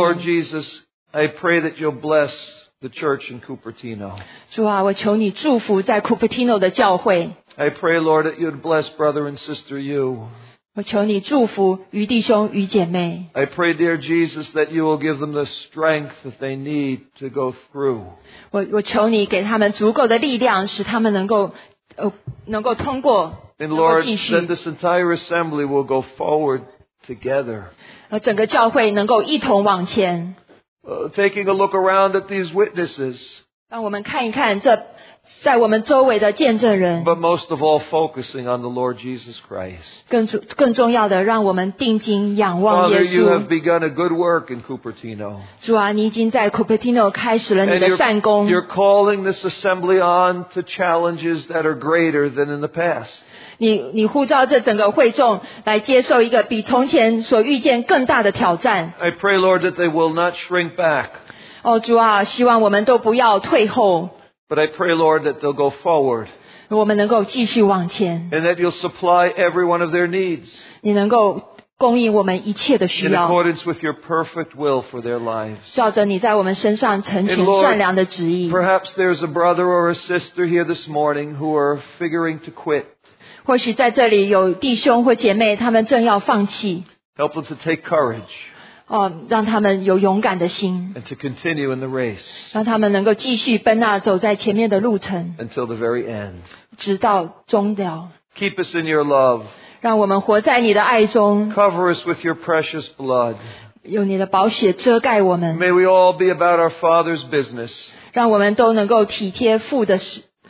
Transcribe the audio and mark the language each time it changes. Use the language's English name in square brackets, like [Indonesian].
[English] Lord Jesus, I pray that you'll bless the church in Cupertino. [Chinese] 主啊，我求你祝福在 Cupertino 的教会。 [English] I pray, Lord, that you'd bless brother and sister you. [Chinese] 我求你祝福于弟兄于姐妹。 [English] I pray, dear Jesus, that you will give them the strength that they need to go through. [Chinese] 我求你给他们足够的力量，使他们能够通过。 [English] And Lord, then this entire assembly will go forward together. [Chinese] 整个教会能够一同往前。 [English] Taking a look around at these witnesses. [Chinese] 让我们看一看这在我们周围的见证人。 [English] But most of all, focusing on the Lord Jesus Christ. [Chinese] 更重要的，让我们定睛仰望耶稣。 [English] Father, you have begun a good work in Cupertino. [Chinese] 主啊，你已经在 Cupertino 开始了你的善工。 [English] You're calling this assembly on to challenges that are greater than in the past. [Chinese] 你呼召这整个会众来接受一个比从前所遇见更大的挑战。 [English] I pray, Lord, that they will not shrink back. [Chinese] 哦，主啊，希望我们都不要退后。 [English] But I pray, Lord, that they'll go forward. [Chinese] 我们能够继续往前。 [English] And that you'll supply every one of their needs. [Chinese] 你能够供应我们一切的需要。 [English] In accordance with your perfect will for their lives. [Chinese] 照着你在我们身上成全善良的旨意。 [English] And Lord, perhaps there's a brother or a sister here this morning who are figuring to quit. [Chinese] 或许在这里有弟兄或姐妹，他们正要放弃。 [English] Help them to take courage. [Chinese] 哦，让他们有勇敢的心。 [English] And to continue in the race. [Chinese] 让他们能够继续奔那走在前面的路程。 [English] Until the very end. [Chinese] 直到终了。 [English] Keep us in your love. [Chinese] 让我们活在你的爱中。 [English] Cover us with your precious blood. [Chinese] 用你的宝血遮盖我们。 [English] May we all be about our Father's business. [Chinese] 让我们都能够体贴父的事。